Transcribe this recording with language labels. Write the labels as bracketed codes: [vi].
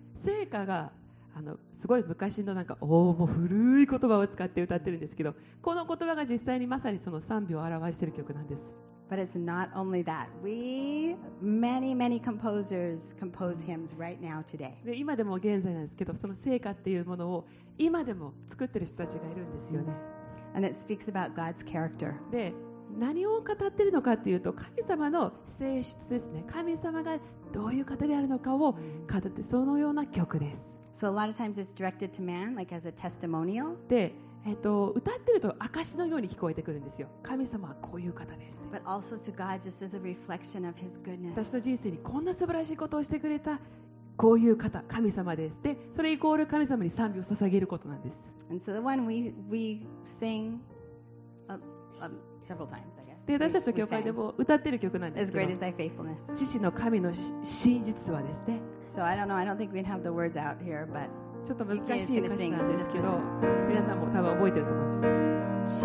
[ja] 聖歌がすごい昔のなんかもう古い言葉を使って歌ってるんですけど、この言葉が実際にまさにその賛美を表している曲なんです。 [en] But it's not only that. We many many composers compose hymns right now today. [ja] で今でも現在なんですけど、その聖歌っていうものを今でも作ってる人たちがいるんですよね。 [en] And it speaks about God's character. [ja] で何を語ってるのかっていうと、神様の性質ですね。神様がどういう方であるのかを語って、そのような曲です。 [en] So a lot of times it's directed to man, like as a testimonial. [ja] で歌ってると証のように聞こえてくるんですよ。神様はこういう方です、ね、 [en] But also to God, just as a reflection of His goodness. [ja] 私の人生にこんな素晴らしいことをしてくれたこういう方、神様です。でそれイコール神様に賛美を捧げることなんです。 [en] And so the one we sing several times, I [ja] guess. で私たちの教会でも歌ってる曲なんですけど、 [en] As great as thy faithfulness. [ja] 父の神の真実はですね。 [en] So I don't know, I don't think we'd have the words out here, but [ja] ちょっと難しい歌詞なんですけど、皆さんも多分覚えてると思います。